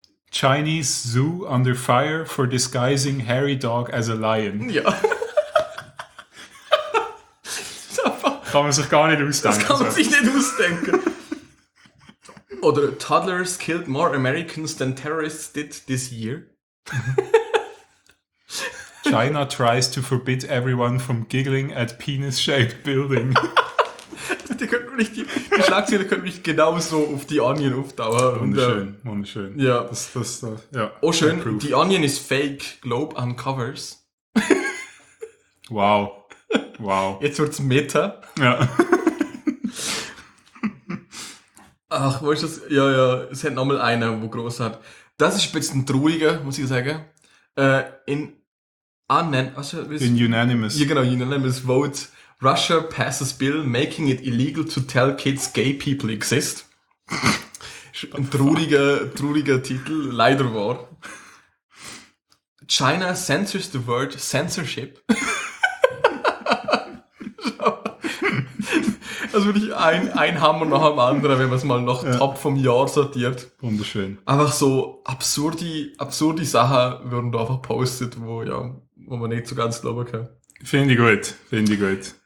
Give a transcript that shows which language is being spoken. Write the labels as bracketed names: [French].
[English] Chinese zoo under fire for disguising hairy dog as a lion. [German] Ja. Kann man sich gar nicht ausdenken. Das kann man sich nicht ausdenken. [English] Oder toddlers killed more Americans than terrorists did this year. China tries to forbid everyone from giggling at penis-shaped building. [German] Die Schlagzeile könnte mich genauso auf die Onion aufdauern. Wunderschön. Ja. Das, oh, schön. Die Onion ist fake. [English] Globe uncovers. [German] Wow. Jetzt wird's Meta. Ja. Ach, wo ist das? Ja. Es hat nochmal einer, wo groß hat. Das ist ein bisschen trauriger, muss ich sagen. [English] Unanimous. [German] Ja, genau. [English] Unanimous vote. Russia passes bill making it illegal to tell kids gay people exist. [German] Ein truriger Titel, leider war. [English] China censors the word censorship. [German] Also wirklich ein Hammer nach dem anderen, wenn man es mal nach Top vom Jahr sortiert. Wunderschön. Einfach so absurde Sachen werden da einfach postet, wo man nicht so ganz glauben kann. Finde ich gut.